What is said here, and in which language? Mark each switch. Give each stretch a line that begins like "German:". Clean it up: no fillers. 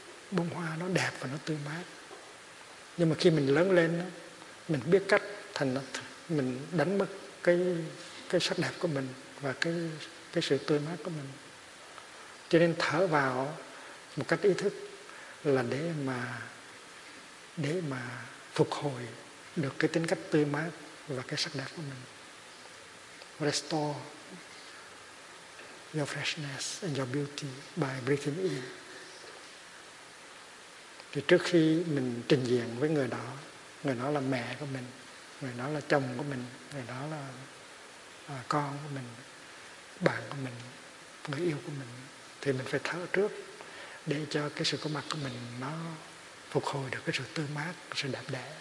Vietnamese: Bông hoa nó đẹp và nó tươi mát. Nhưng mà khi mình lớn lên, mình biết cách thành, mình đánh mất cái sắc đẹp của mình và cái sự tươi mát của mình. Cho nên thở vào một cách ý thức là để mà phục hồi được cái tính cách tươi mát và cái sắc đẹp của mình.
English: Restore your freshness and your beauty by breathing in.
Vietnamese: Thì trước khi mình trình diện với người đó là mẹ của mình, người đó là chồng của mình, người đó là con của mình, bạn của mình, người yêu của mình, thì mình phải thở trước để cho cái sự có mặt của mình nó phục hồi được cái sự tươi mát, sự đẹp đẽ.